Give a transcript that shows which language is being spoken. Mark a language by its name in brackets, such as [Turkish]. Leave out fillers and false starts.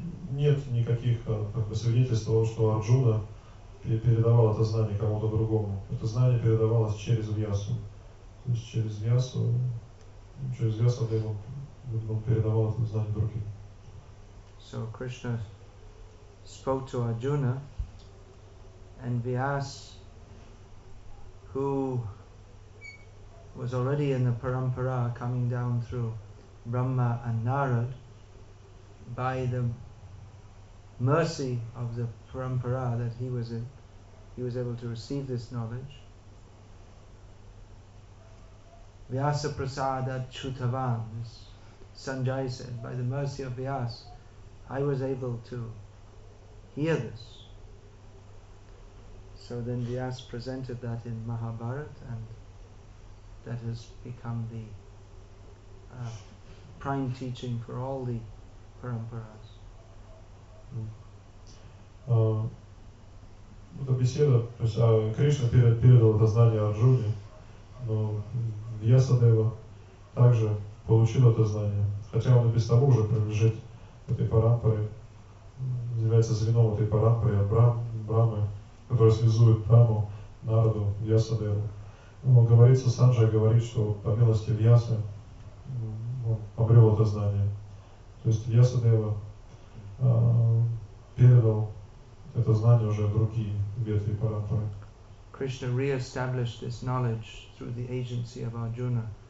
[Russian] Нет никаких как бы свидетельств того, что Арджуна передавал это знание кому-то другому. Это знание передавалось через Вьясу. То есть через Вьясу он передавал это знание другим. [English] So Krishna spoke to Arjuna, and Vyas, who was already in the parampara coming down through Brahma and Narad, by the mercy of the parampara that he was able to receive this knowledge. [Sanskrit] Vyasa prasadat chutavan, [English] as Sanjay said, by the mercy of Vyas, I was able to hear this. So then Vyas presented that in Mahabharata, and that has become the prime teaching for all the paramparas. [Russian] Эта беседа, то есть Кришна передал это знание Арджуне, но Вьясадева также получил это знание, хотя он и без того уже принадлежит этой парампаре, является звеном этой парампары от Брахмы, который связует Браму, Нараду, Вьясадеву. Он говорит, что Санджай говорит, что по милости Вьясы он обрел это знание. То есть Вьясадева передал это знание уже другие ветви парампары. [English] Krishna re-established this knowledge through the agency of Arjuna.